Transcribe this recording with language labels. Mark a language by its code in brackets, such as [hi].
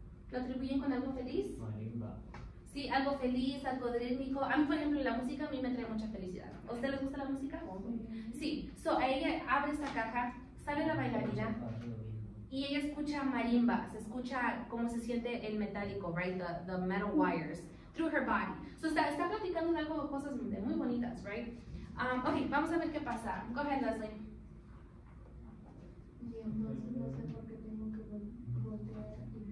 [es] ¿Lo atribuyen con algo feliz? Marimba. Sí, algo feliz, algo rítmico. A mí, por ejemplo, la música a mí me trae mucha felicidad. ¿A usted les gusta la música? Sí. So, ella abre esta caja, sale la bailarina y ella escucha marimbas, escucha cómo se siente el metálico, [en] right? The metal wires through her body. [es] So, está platicando de algo, cosas muy bonitas, [en] right? [es] Ok, vamos a ver qué pasa. [en] Go ahead, [es] Leslie. Dios, no sé por qué tengo que voltear.